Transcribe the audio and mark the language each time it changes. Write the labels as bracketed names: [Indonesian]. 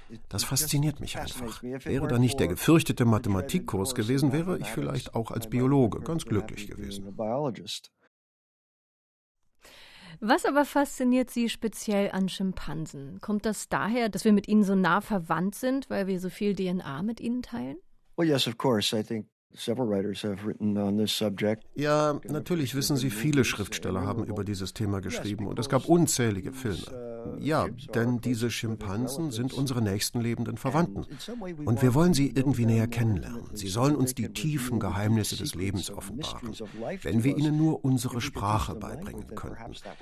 [German] Das fasziniert mich einfach. Wäre da nicht der gefürchtete Mathematikkurs gewesen, wäre ich vielleicht auch als Biologe ganz glücklich gewesen. Was aber fasziniert Sie speziell an Schimpansen? Kommt das daher, dass wir mit ihnen so nah verwandt sind, weil wir so viel DNA mit ihnen teilen? [English] Well, yes, of course. I think several writers have written on this subject. [German] Ja, natürlich wissen Sie, viele Schriftsteller haben über dieses Thema geschrieben und es gab unzählige Filme. Ja, denn diese Schimpansen sind unsere nächsten lebenden Verwandten. Und wir wollen sie irgendwie näher kennenlernen. Sie sollen uns die tiefen Geheimnisse des Lebens offenbaren, wenn wir ihnen nur unsere Sprache beibringen könnten.